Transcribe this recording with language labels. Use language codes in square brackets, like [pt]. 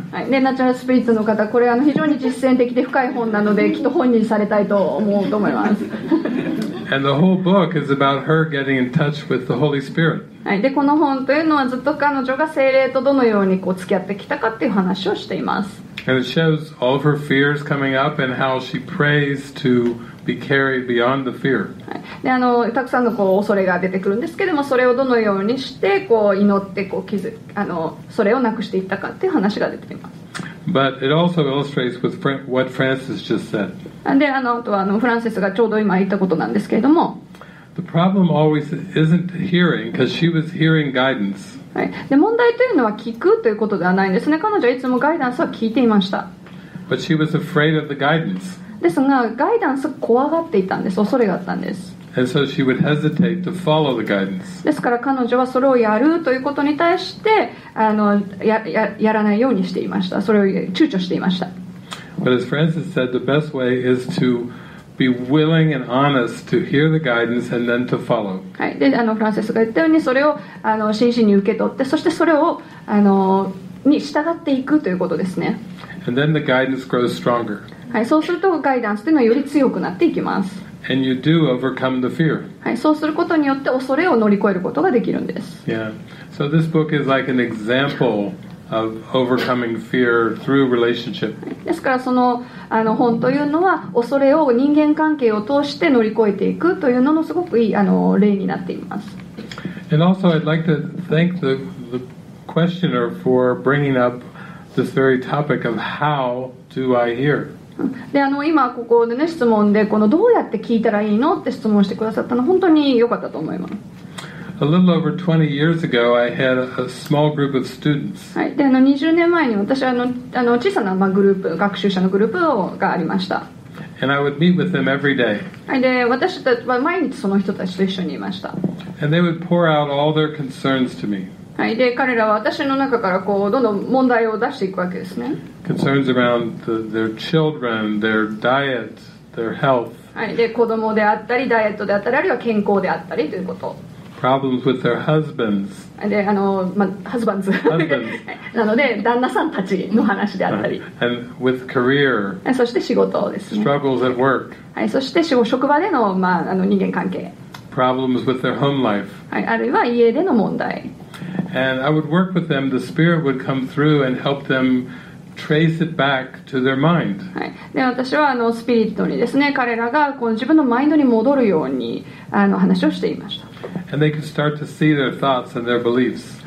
[ja] はい、で、ナチュラルスピリッツの方、これ非常に実践的で深い本なので、きっと本にされたいと思うと思います。 [en] And the whole book is about her getting in touch with the Holy Spirit. [ja] はい、で、この本というのはずっと彼女が聖霊とどのようにこう付き合ってきたかっていう話をしています。 [en] And it shows all of her fears coming up and how she prays to be carried beyond the fear. [ja] で、たくさんのこう恐れが出てくるんですけども、それをどのようにしてこう祈ってこう気づ、それをなくしていったかっていう話が出ています。 [en] But it also illustrates with what Francis just said. [ja] で、あとはフランセスがちょうど今言ったことなんですけれども。 [en] The problem always isn't hearing, because she was hearing guidance. [ja] はい。で、問題というのは聞くということではないんですね。彼女はいつもガイダンスは聞いていました。 [en] But she was afraid of the guidance. [ja] ですが、ガイダンス怖がっていたんです。恐れがあったんです。 [en] And so she would hesitate to follow the guidance. [ja] ですから彼女はそれをやるということに対して、やらないようにしていました。それを躊躇していました。 [en] But as Francis said, the best way is to be willing and honest to hear the guidance and then to follow. [ja] はい。で、フランセスが言ったように、それを真摯に受け取って、そしてそれをに従っていくということですね。 [en] And then the guidance grows stronger. [ja] はい。そうするとガイダンスというのはより強くなっていきます。 [en] And you do overcome the fear. [ja] はい、そうすることによって恐れを乗り越えることができるんです。 [en] Yeah. So this book is like an example of overcoming fear through relationship. [ja] ですからその本というのは恐れを人間関係を通して乗り越えていくというののすごくいい例になっています。 [en] And also I'd like to thank the questioner for bringing up this very topic of how do I hear? [ja] で今ここでね質問でこのどうやって聞いたらいいのって質問してくださったの本当に良かったと思います。 [en] A little over 20 years ago, I had a small group of students. [ja] はい、で20年前に私は小さなグループ学習者のグループがありました。 [en] And I would meet with them every day. [ja] はい、で私たちは毎日その人たちと一緒にいました。 [en] And they would pour out all their concerns to me. [ja] はい、で彼らは私の中からこうどんどん問題を出していくわけですね。 [en] Concerns around their children, their diet, their health. [ja] はい、で子供であったりダイエットであったりあるいは健康であったりということ。 [en] Problems with their husbands. [ja] で、まあ、husbands。 [en] husbands。 [ja] なので旦那さんたちの話であったり。 [en] Right. And with career. [ja] そして仕事ですね。 [en] Struggles at work. [ja] はい、そして職場での、まあ、人間関係。 [en] Problems with their home life. [ja] はい、あるいは家での問題。 [en] And I would work with them. The spirit would come through and help them trace it back to their mind. [ja] はい。で、私はスピリットにですね、彼らがこの自分のマインドに戻るように話をしていました。 [en] And they could start to see their thoughts and their beliefs.